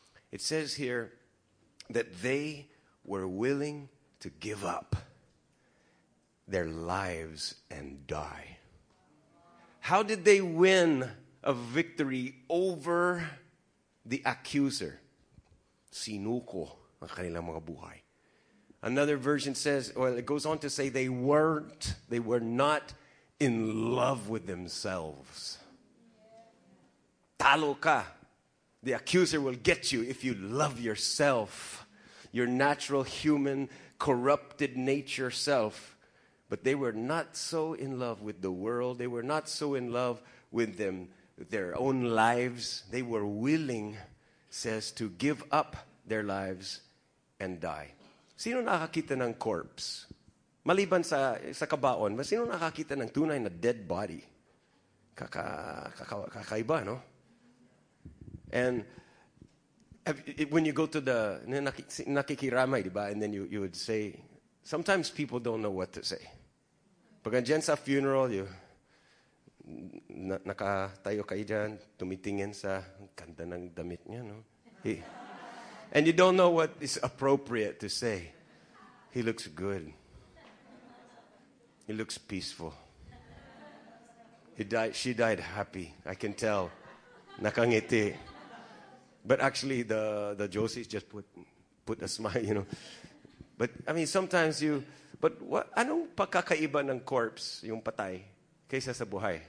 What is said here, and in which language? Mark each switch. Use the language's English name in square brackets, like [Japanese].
[English] It says here that they were willing to give up their lives and die. How did they win a victory over the accuser? [Filipino] Sinuko ang kanilang mga buhay. [English] Another version says, well, it goes on to say they were not in love with themselves. [Filipino] Talo ka. [English] The accuser will get you if you love yourself, your natural human corrupted nature self. But they were not so in love with the world. They were not so in love with them, their own lives. They were willing, says, to give up their lives and die. [Filipino] Sino nakakita ng corpse? Maliban sa kabaon, sino nakakita ng tunay na dead body? Kakaiba, no? [English] And when you go to the [Filipino] nakikiramay, di ba? [English] And then you would say, sometimes people don't know what to say. [Filipino] Pag andyan sa funeral, nakatayo kayo dyan, tumitingin sa ganda ng damit niya, no? [English] And you don't know what is appropriate to say. He looks good. He looks peaceful. She died happy. I can tell. [Filipino] Nakangiti. [English] But actually, the Josies just put a smile, you know. But I mean, sometimes you. But what? [Filipino] Anong pagkakaiba ng corpse yung patay kaysa sa buhay?